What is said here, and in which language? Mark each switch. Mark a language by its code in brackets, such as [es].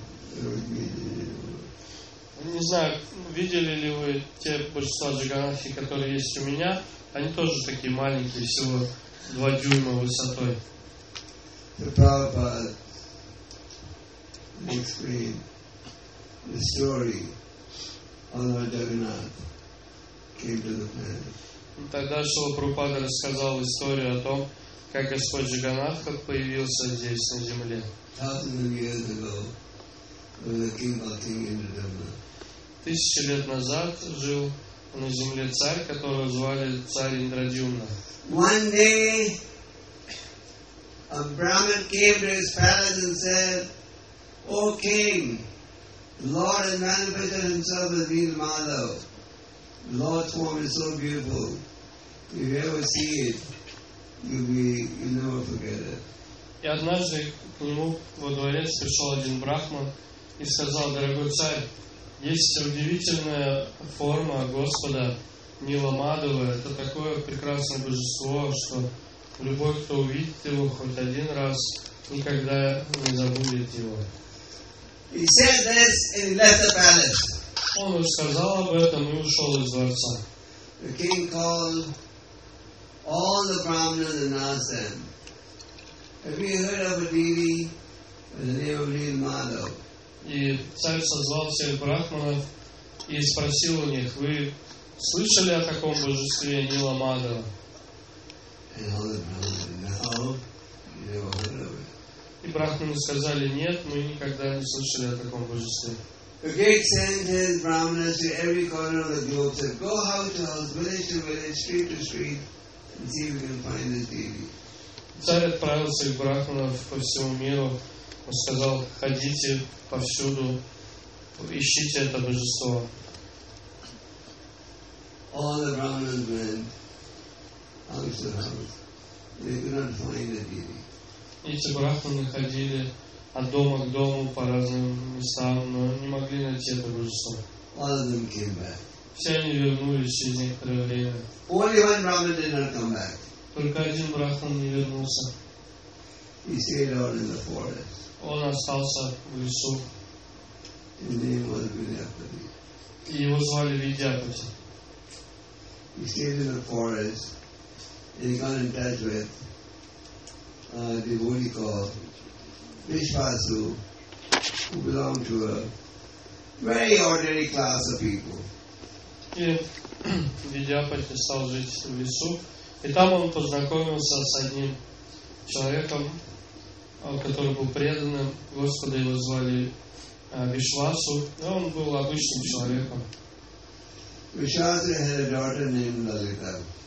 [ru] Не знаю, видели ли вы те большинства Джаганатхи, которые есть у меня, они тоже такие маленькие, всего 2 дюйма высотой. [en] The Prabhupada explained the story on how Jagannath came to the planet. [ru] Тогда Шрила Прабхупада рассказал историю о том, как Господь Джаганатха появился здесь, на земле. [en] Thousands of years ago, [ru] тысячи лет назад жил на земле царь, которого звали царь Индрадюмна. [en] One day a Brahmin came to his palace and said, O king, Lord has manifested himself as Veena Madhav. Lord's form is so beautiful. If you ever see it, you'll never forget it. [ru] И однажды к нему во дворец пришел один брахман и сказал, дорогой царь, есть удивительная форма Господа Нила Мадхава, это такое прекрасное божество, что любой, кто увидит его хоть один раз, никогда не забудет его. [en] He said this and he left the palace. [ru] Он сказал об этом и ушел из дворца. [en] The king called all the brahmanas and asked them, have you heard of a deity by the name of Nila Mahadev? [ru] И царь созвал всех брахманов и спросил у них, вы слышали о таком божестве Нила Мадхава? [en] And all the brahmanas said, no, never heard of it. [ru] И брахманы сказали, нет, мы никогда не слышали о таком божестве. [en] The king sent his brahmanas to every corner of the globe, said, go house to house, village to village, street to street, and see if we can find this deity. [ru] Царь отправил своих брахманов по всему миру. Он сказал, ходите повсюду, ищите это божество. [en] All the brahmanas went house to house. They could not find the deity. [ru] Эти брахманы ходили от дома к дому по разным местам, но не могли найти это божество. [en] All of them came back. [ru] Все они вернулись через некоторое время. [en] Only one brahman did not come back. [ru] Только один брахман не вернулся. [en] He stayed out in the forest. [ru] Он остался в лесу. [en] His name was Vidyapati. [ru] И его звали Vidyapati. [en] He stayed in the forest and he got in touch with a devotee called Vishvasu, who belonged to a very ordinary class of people. [ru] И Vidyapati стал жить в лесу. И там он познакомился с одним человеком, который был преданным Господа, его звали Вишвасу, и он был обычным человеком. [en] Vishvasu had a daughter named Lalita.